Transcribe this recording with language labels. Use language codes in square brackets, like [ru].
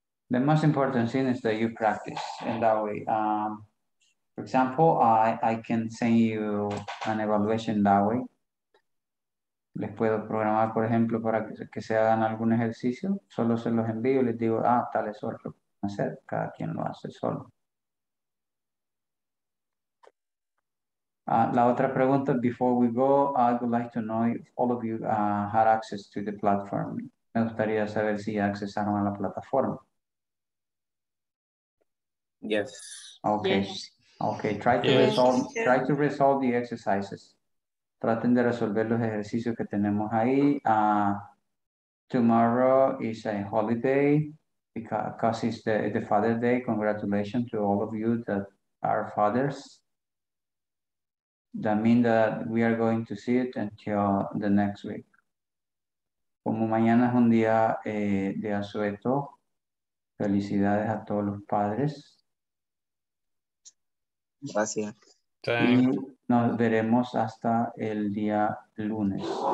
[en] The most important thing is that you practice in that way. For example, I can send you an evaluation that way. [es] Les puedo programar, por ejemplo, para que se hagan algún ejercicio. Solo se los envío y les digo, ah, tal es otro. Hacer, cada quien lo hace solo. [en] La otra pregunta, before we go, I would like to know if all of you had access to the platform. [es] Me gustaría saber si accesaron a la plataforma. [en] Yes. Okay. Yes. Okay. Try to resolve the exercises. [es] Traten de resolver los ejercicios que tenemos ahí. [en] Tomorrow is a holiday. Because it's the Father's Day. Congratulations to all of you that are fathers. That means that we are going to see it until the next week. [es] Como mañana es un día de asueto, felicidades a todos los padres. Gracias. Y nos veremos hasta el día lunes.